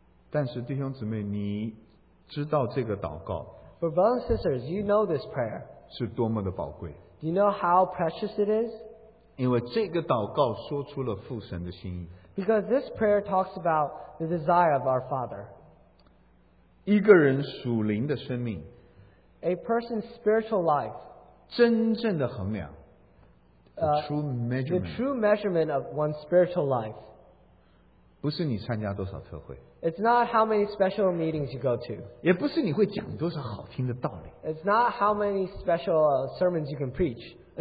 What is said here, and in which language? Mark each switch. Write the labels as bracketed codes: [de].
[zh] 但是弟兄姊妹, 你知道这个祷告, [en] for brothers and sisters, you know this prayer. [zh] 是多么的宝贵。 [en] Do you know how precious it is? [zh] 因为这个祷告说出了父神的心意。 [en] Because this prayer talks about the desire of our Father. [zh] 一个人属灵的生命, [en] a person's spiritual life. [zh] 真正的衡量, [en] the true measurement of one's spiritual life. [zh] 不是你参加多少特会, [en] it's not how many special meetings you go to. [zh] 也不是你会讲多少好听的道理, [en] it's not how many special sermons you can preach.